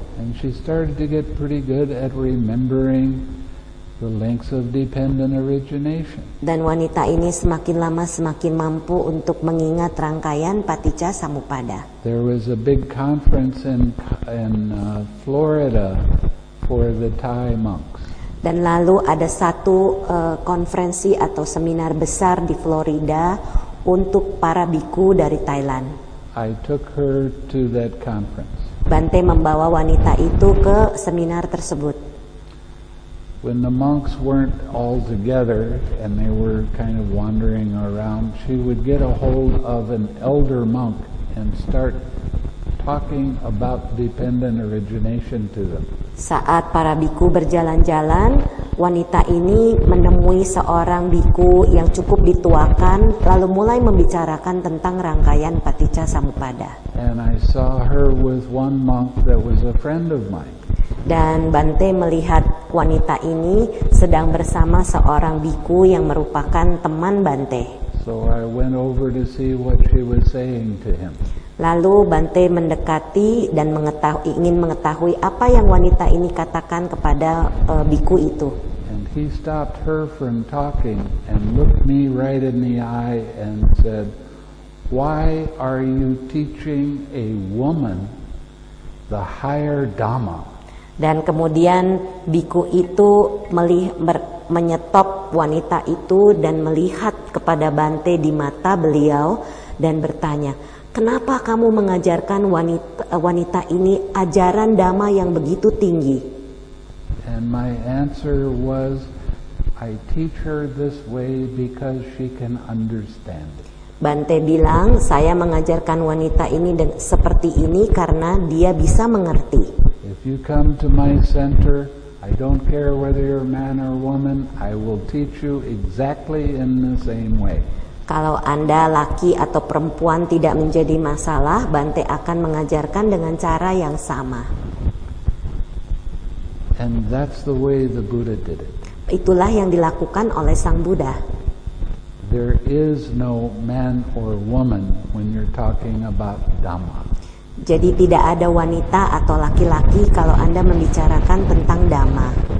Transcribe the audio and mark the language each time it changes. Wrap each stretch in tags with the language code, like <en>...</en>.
<en>And she started to get pretty good at remembering the links of dependent origination.</en> <id>Dan wanita ini semakin lama semakin mampu untuk mengingat rangkaian paticca samuppada.</id> <en>There was a big conference in Florida for the Thai monks.</en> <id>Dan lalu ada satu konferensi atau seminar besar di Florida untuk para biku dari Thailand.</id> <en>I took her to that conference.</en> <id>Bante membawa wanita itu ke seminar tersebut.</id> <en>When the monks weren't all together and they were kind of wandering around, she would get a hold of an elder monk and start talking about dependent origination to them.</en> <id>Saat para biku berjalan-jalan, wanita ini menemui seorang biku yang cukup dituakan, lalu mulai membicarakan tentang rangkaian paticca samuppada.</id> <en>And I saw her with one monk that was a friend of mine.</en> <id>Dan Bante melihat wanita ini sedang bersama seorang biku yang merupakan teman Bante.</id> <en>So I went over to see what she was saying to him.</en> <id>Lalu Bante mendekati dan ingin mengetahui apa yang wanita ini katakan kepada biku itu.</id> <en>And he stopped her from talking and looked me right in the eye and said, "Why are you teaching a woman the higher dhamma?"</en> <id>Dan kemudian biku itu menyetop wanita itu dan melihat kepada Bante di mata beliau dan bertanya, "Kenapa kamu mengajarkan wanita ini ajaran dhamma yang begitu tinggi?"</id> <en>And my answer was, "I teach her this way because she can understand it."</en> <id>Bante bilang, "Saya mengajarkan wanita ini seperti ini karena dia bisa mengerti."</id> <en>If you come to my center, I don't care whether you're a man or a woman, I will teach you exactly in the same way.</en> <id>Kalau Anda laki atau perempuan tidak menjadi masalah, Bante akan mengajarkan dengan cara yang sama.</id> <en>And that's the way the Buddha did it.</en> <id>Itulah yang dilakukan oleh Sang Buddha.</id> <en>There is no man or woman when you're talking about dhamma.</en> <id>Jadi tidak ada wanita atau laki-laki kalau Anda membicarakan tentang dhamma.</id>